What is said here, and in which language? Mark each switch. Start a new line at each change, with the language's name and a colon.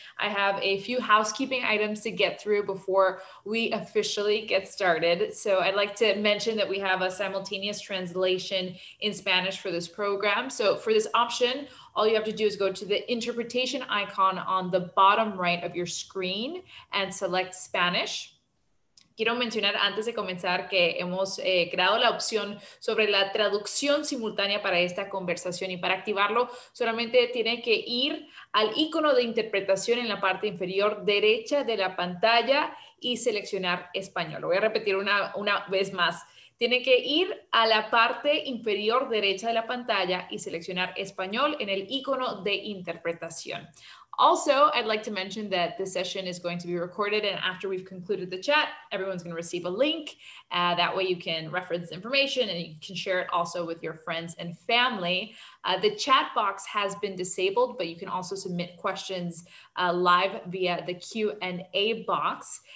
English: I have a few housekeeping items to get through before we officially get started. So I'd like to mention that we have a simultaneous translation in Spanish for this program. So for this option, all you have to do is go to the interpretation icon on the bottom right of your screen and select Spanish.
Spanish: Quiero mencionar antes de comenzar que hemos creado la opción sobre la traducción simultánea para esta conversación y para activarlo solamente tiene que ir al icono de interpretación en la parte inferior derecha de la pantalla y seleccionar español. Lo voy a repetir una vez más. Tiene que ir a la parte inferior derecha de la pantalla y seleccionar español en el icono de interpretación.
English: Also, I'd like to mention that this session is going to be recorded, and after we've concluded the chat, everyone's going to receive a link. That way you can reference information and you can share it also with your friends and family. The chat box has been disabled, but you can also submit questions live via the Q&A box.